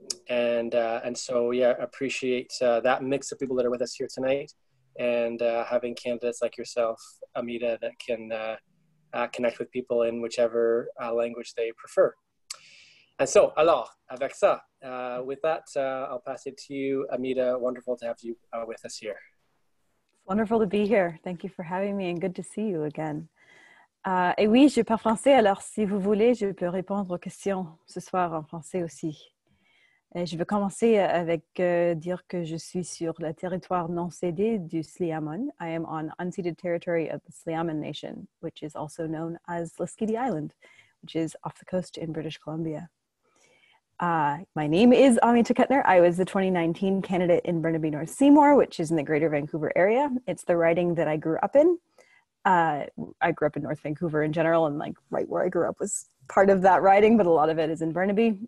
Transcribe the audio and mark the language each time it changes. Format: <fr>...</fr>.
<en>Appreciate that mix of people that are with us here tonight and having candidates like yourself, Amita, that can connect with people in whichever language they prefer. And so,</en> <fr>alors, avec ça,</fr> <en>with that, I'll pass it to you, Amita. Wonderful to have you with us here. Wonderful to be here. Thank you for having me and good to see you again.</en> <fr>Et oui, je parle français, alors si vous voulez, je peux répondre aux questions ce soir en français aussi. Et je veux commencer avec dire que je suis sur le territoire non cédé du Sliamon.</fr> <en>I am on unceded territory of the Sliamon Nation, which is also known as Laskidi Island, which is off the coast in British Columbia. My name is Amita Kuttner. I was the 2019 candidate in Burnaby North Seymour, which is in the Greater Vancouver area. It's the riding that I grew up in. I grew up in North Vancouver in general, and like right where I grew up was part of that riding, but a lot of it is in Burnaby.</en>